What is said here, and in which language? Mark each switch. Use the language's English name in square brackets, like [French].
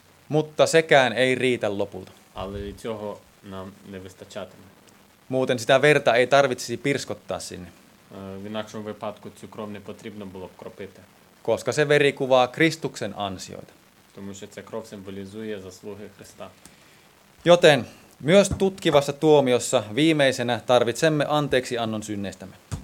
[Finnish] Mutta sekään ei riitä lopulta. [Ukrainian] Але цього нам не вистачатиме. [Finnish] Muuten sitä verta ei tarvitsisi pirskottaa sinne. [Ukrainian] В іншому випадку цю кров не потрібно було б кропити. [Finnish] Koska se veri kuvaa Kristuksen ansioita. [Ukrainian] Тому що ця кров символізує заслуги Христа. [Finnish] Joten myös tutkivassa tuomiossa viimeisenä tarvitsemme anteeksi annon synneistämme.